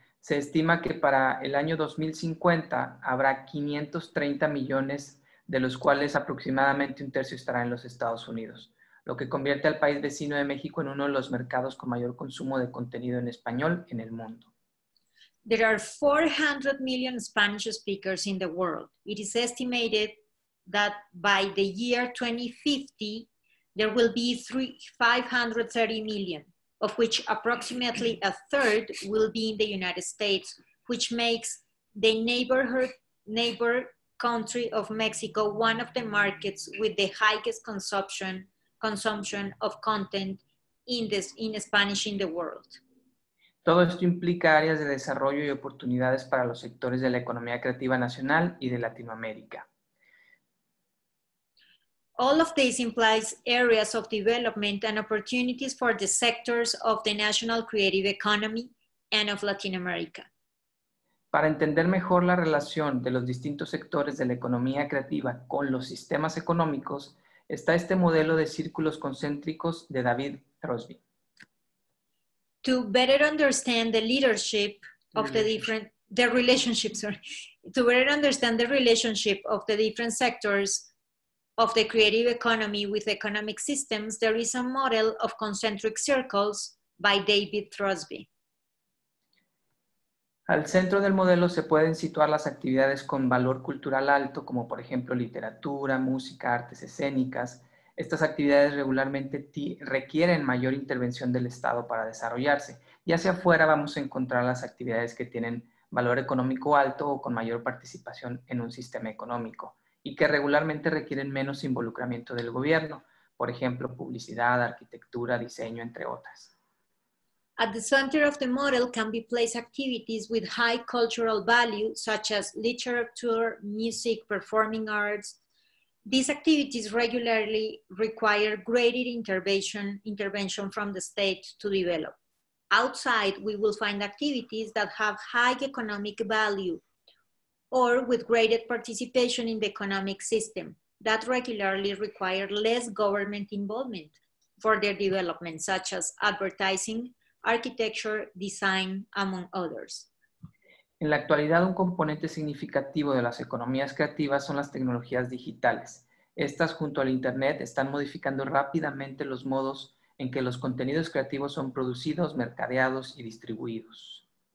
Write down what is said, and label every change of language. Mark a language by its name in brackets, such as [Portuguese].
[Spanish] Se estima que para el año 2050 habrá 530 millones, de los cuales aproximadamente un tercio estará en los Estados Unidos, lo que convierte al país vecino de México en uno de los mercados con mayor consumo de contenido en español en el mundo. [English] There are 400 million Spanish speakers in the world. It is estimated that by the year 2050, there will be 530 million, of which approximately a third will be in the United States, which makes the neighbor country of Mexico one of the markets with the highest consumption of content in Spanish in the world. [Spanish] Todo esto implica áreas de desarrollo y oportunidades para los sectores de la economía creativa nacional y de Latinoamérica. [English] All of this implies areas of development and opportunities for the sectors of the national creative economy and of Latin America. [Spanish] Para entender mejor la relación de los distintos sectores de la economía creativa con los sistemas económicos, está este modelo de círculos concéntricos de David Crosby. [English] To better understand the leadership of the different, the relationship of the different sectors of the creative economy with economic systems, there is a model of concentric circles by David Crosby. [Spanish] Al centro del modelo se pueden situar las actividades con valor cultural alto, como por ejemplo literatura, música, artes escénicas. Estas actividades regularmente requieren mayor intervención del Estado para desarrollarse. Y hacia afuera vamos a encontrar las actividades que tienen valor económico alto o con mayor participación en un sistema económico y que regularmente requieren menos involucramiento del gobierno, por ejemplo, publicidad, arquitectura, diseño, entre otras. [English] At the center of the model can be placed activities with high cultural value, such as literature, music, performing arts. These activities regularly require greater intervention from the state to develop. Outside, we will find activities that have high economic value or with greater participation in the economic system that regularly require less government involvement for their development, such as advertising, architecture, design, among others. [Spanish] En la actualidad, un componente significativo de las economías creativas son las tecnologías digitales. Estas, junto al Internet, están modificando rápidamente los modos en que los contenidos creativos son producidos, mercadeados y distribuidos.